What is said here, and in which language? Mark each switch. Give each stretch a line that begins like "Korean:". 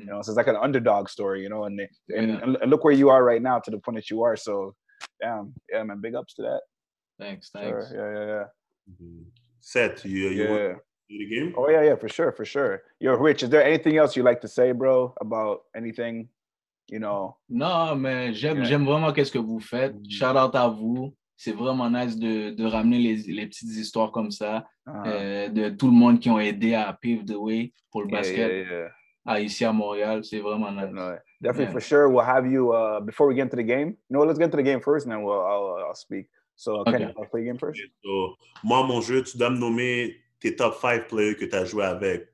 English: You know, so it's like an underdog story, you know, and look where you are right now to the point that you are. So, man, big ups to that. Thanks. Sure. Yeah. Mm-hmm. Seth, you the game. Oh, yeah, yeah, for sure, for sure. Yo, Rich, is there anything else you'd like to say, bro, about anything, you know?
French: Non, mais j'aime vraiment qu'est-ce que vous faites. Mm-hmm. Shout out à vous. C'est vraiment nice de ramener les petites histoires comme ça, de tout le monde qui ont aidé à
English: pave the way
French: pour le basket ici à Montréal. C'est vraiment nice.
English: Definitely, for sure. We'll have you before we get into the game. No, let's get into the game first and then I'll speak. So, can I play the game first?
French: So, moi, mon jeu, tu dois me nommer tes top 5 players que tu as joué avec.